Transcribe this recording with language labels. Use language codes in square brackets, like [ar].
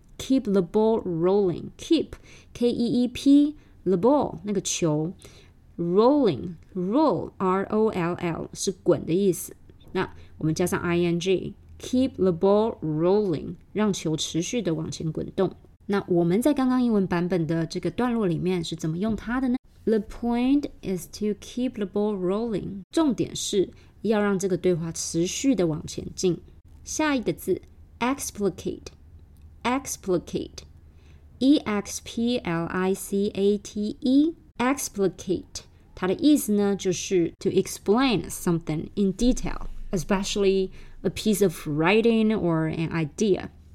[en] Keep the ball rolling. Keep K-E-E-P the ball [zh] 那个球。 [en] Rolling, roll, R-O-L-L, [zh] 是滚的意思。那我们加上 ing, [en] keep the ball rolling, [zh] 让球持续的往前滚动。那我们在刚刚英文版本的这个段落里面是怎么用它的呢？ [en] The point is to keep the ball rolling. [zh] 重点是要让这个对话持续的往前进。 [en] 下一个字 explicate, explicate, E-X-P-L-I-C-A-T-E,explicate [zh] 它的意思呢就是 [en] to explain something in detail, especially a piece of writing or an idea.